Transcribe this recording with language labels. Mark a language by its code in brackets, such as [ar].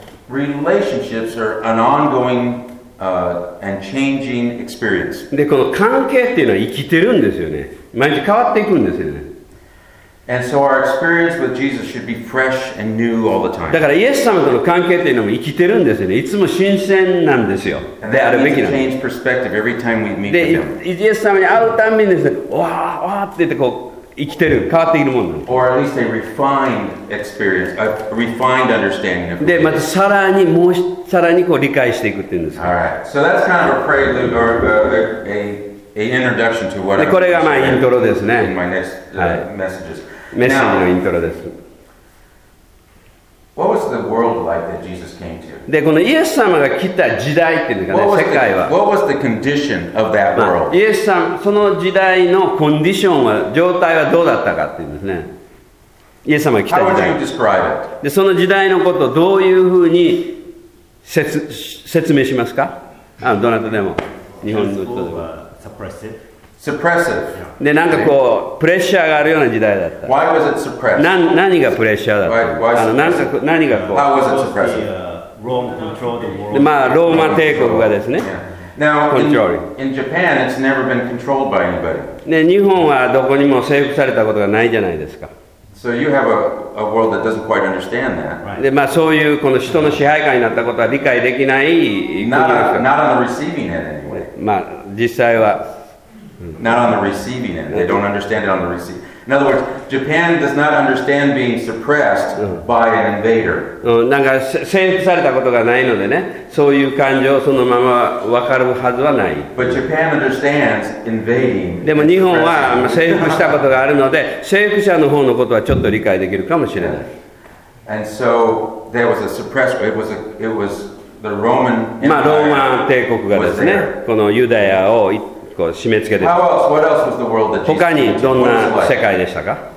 [en] Relationships are an ongoing and changing experience. [ja] で、この関係っていうのは生きてるんですよね。毎日変わっていくんですよね。 [en] And so our experience with Jesus should be fresh and new all the time. [ja] だからイエス様との関係というのも生きてるんですよね。いつも新鮮なんですよ。 [en] And that means to change perspective every time we meet with him. [ja] で、イエス様に会うたびにですね、わあわあって言ってこう生きてる、変わっているもんなんです。 [en] Or at least a refined experience, a refined understanding of. [ja] で、またさらにもうさらにこう理解していくっていうんです。 [en] All right. So that's kind of a prelude or a introduction to what. [ja] で、これがまあイントロですね。 [en] My next messages. [ja] メッセージのイントロです。 [en] What was the world like that Jesus came to? [ja] で、このイエス様が来た時代っていうかね、世界は。 [en] What was the condition of that world? [ja] イエス様、その時代のコンディションは、状態はどうだったかっていうんですね。イエス様が来た時代。 [en] How would you describe it? [ja] で、その時代のことをどういうふうに説明しますか？あの、どなたでも。日本の人でも。 [en] Suppressive. [ja] で、なんかこう、プレッシャーがあるような時代だった。 [en] Why was it suppressed? [ja] 何がプレッシャーだったの？ [en] Why, [ja] あの、なんか、何がこう、 [en] How was it suppressed? Rome controlled the world. [ja] で、まあ、ローマ帝国がですね。 [en] Yeah. Now, in Japan, it's never been controlled by anybody. [ja] で、日本はどこにも征服されたことがないじゃないですか。 [en] So you have a world that doesn't quite understand that. [ja] で、まあ、そういうこの人の支配下になったことは理解できない国ですか。 [en] Not on the receiving end anyway. [ja] まあ、実際は、 [en] Not on the receiving end. They don't understand it on the receiving. In other words, Japan does not understand being suppressed by an invader. [ja] なんか征服されたことがないのでね、そういう感情そのまま分かるはずはない。 [en] But Japan understands invading. [ja] でも日本は征服したことがあるので、征服者の方のことはちょっと理解できるかもしれない。 [en] And so there was a suppressed. It was the Roman Empire. [ja] まあローマ帝国がですね、このユダヤを締め付けて他にどんな世界でしたか？